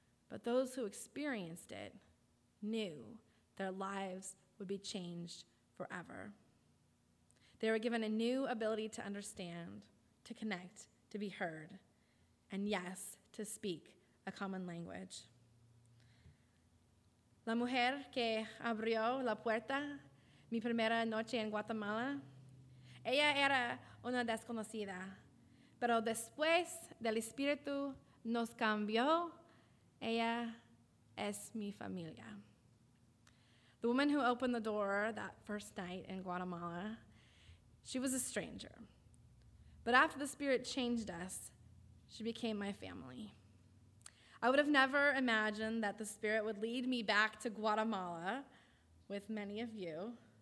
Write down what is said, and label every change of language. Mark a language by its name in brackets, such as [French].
[English] But those who experienced it knew their lives would be changed forever. They were given a new ability to understand, to connect, to be heard, and yes, to speak a common language. [Spanish] La mujer que abrió la puerta mi primera noche en Guatemala, ella era una desconocida, pero después del Espíritu nos cambió, ella es mi familia. [English] The woman who opened the door that first night in Guatemala, she was a stranger. But after the Spirit changed us, she became my family. I would have never imagined that the Spirit would lead me back to Guatemala with many of you.